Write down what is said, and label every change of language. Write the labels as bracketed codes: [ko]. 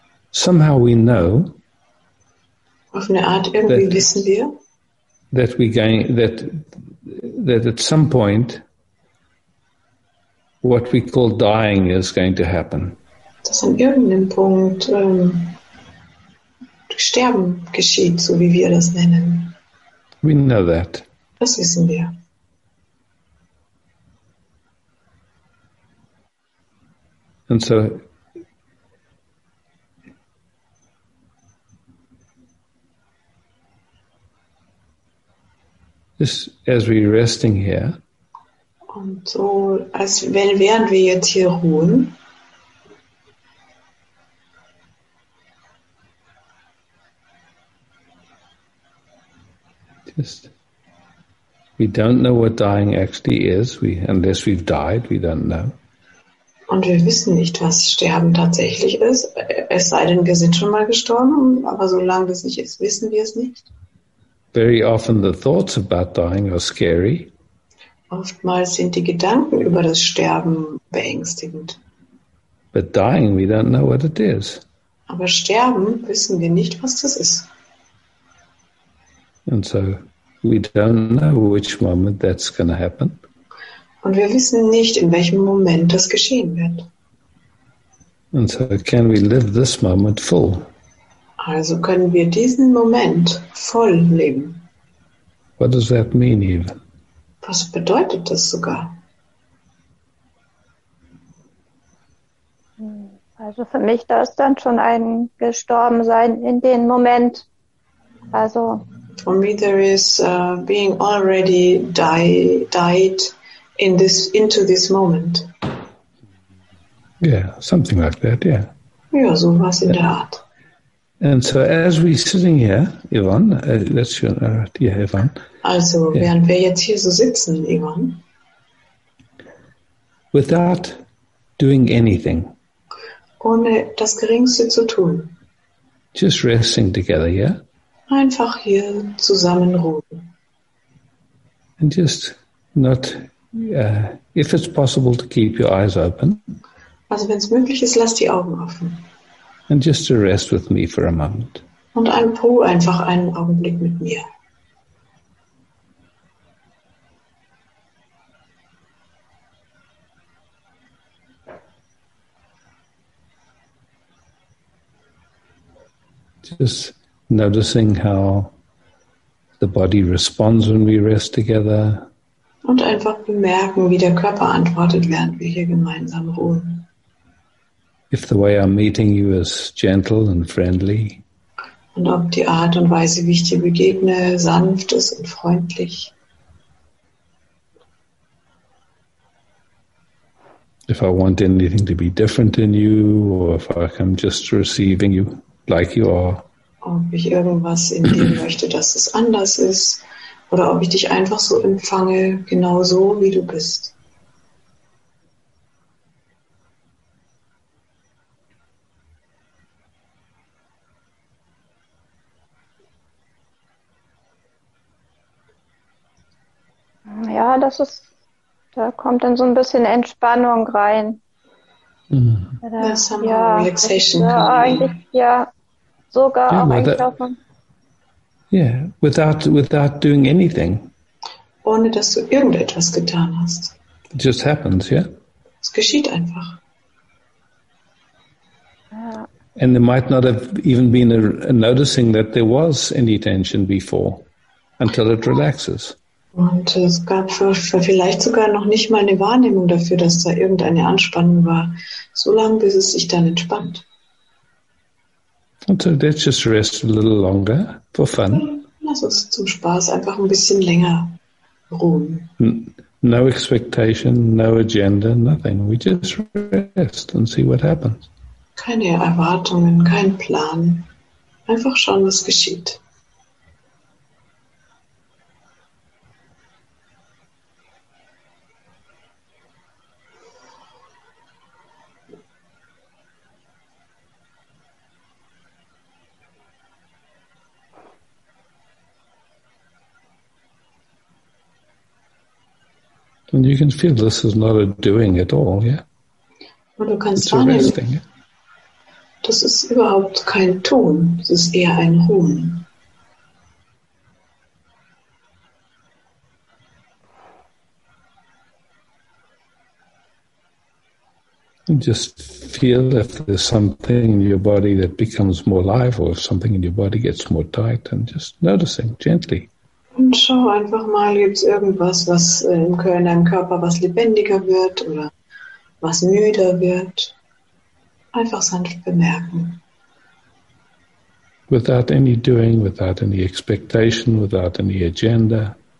[en] Somehow we know. [de] Auf eine Art irgendwie that, wissen wir. [en] That we gain that at some point. What we call dying is going to happen. [de] Dass an irgendeinem Punkt Sterben geschieht, so wie wir das nennen. [en] We know that. [de] Das wissen wir. [en] And so, just as we're resting here. [de] Und so, als wären wir jetzt hier ruhen. [en] Just, we don't know what dying actually is. Unless we've died, we don't know. [de] Und wir wissen nicht, was Sterben tatsächlich ist. Es sei denn, wir sind schon mal gestorben. Aber solange es nicht ist, wissen wir es nicht. [en] Very often the thoughts about dying are scary. [de] Oftmals sind die Gedanken über das Sterben beängstigend. [en] But dying, we don't know what it is. [de] Aber Sterben wissen wir nicht, was das ist. [en] And so we don't know which moment that's going to happen. [de] Und wir wissen nicht, in welchem Moment das geschehen wird. [en] And so can we live this moment full? [de] Also können wir diesen Moment voll leben. [en] What does that mean even? [de] Was bedeutet das sogar? Also für mich, da ist dann schon ein Gestorbensein in dem Moment. [en] Also for me there is being already died in this into this moment. Yeah, something like that, yeah. [de] Ja, sowas in der Art. [en] And so as we sitting here, Yvonne, that's your dear Yvonne. [de] Also yeah. Während wir jetzt hier so sitzen, Yvonne. [en] Without doing anything. [de] Ohne das Geringste zu tun. [en] Just resting together, yeah? [de] Einfach hier zusammen ruhen. [en] And just not, if it's possible to keep your eyes open. [de] Also wenn es möglich ist, lass die Augen offen. [en] And just to rest with me for a moment. [de] Und ruhe einfach einen Augenblick mit mir. [en] Just noticing how the body responds when we rest together. [de] Und einfach bemerken, wie der Körper antwortet, während wir hier gemeinsam ruhen. [en] If the way I'm meeting you is gentle and friendly. [de] Und ob die Art und Weise, wie ich dir begegne, sanft ist und freundlich. [en] If I want anything to be different in you, or if I'm just receiving you like you are. [de] Ob ich irgendwas in dir möchte, dass es anders ist, oder ob ich dich einfach so empfange, genau so, wie du bist. Ja, das ist, da kommt dann so ein bisschen Entspannung rein. Mm. Ja, relaxation ja, eigentlich, ja. Sogar yeah, auch eigentlich auch von. [en] Yeah, without doing anything. [de] Ohne dass du irgendetwas getan hast. [en] It just happens, yeah? [de] Es geschieht einfach. [en] Yeah. And there might not have even been a noticing that there was any tension before, until it relaxes. [de] Und es gab für vielleicht sogar noch nicht mal eine Wahrnehmung dafür, dass da irgendeine Anspannung war, so lange, bis es sich dann entspannt. [en] And so let's just rest a little longer for fun. [de] Lass uns zum Spaß einfach ein bisschen länger ruhen. [en] No expectation, no agenda, nothing. We just rest and see what happens. [de] Keine Erwartungen, kein Plan. Einfach schauen, was geschieht. [en] And you can feel this is not a doing at all, yeah? [de] Und du kannst it's wahrnehmen, [en] resting, yeah? [de] Das ist überhaupt kein Tun, das ist eher ein Ruhen. [en] And just feel if there's something in your body that becomes more alive or if something in your body gets more tight and just noticing gently. [de] Und schau einfach mal, gibt es irgendwas, was im Körper, in deinem Körper was lebendiger wird oder was müder wird? Einfach sanft bemerken. [en] Without any doing, without any expectation, without any agenda.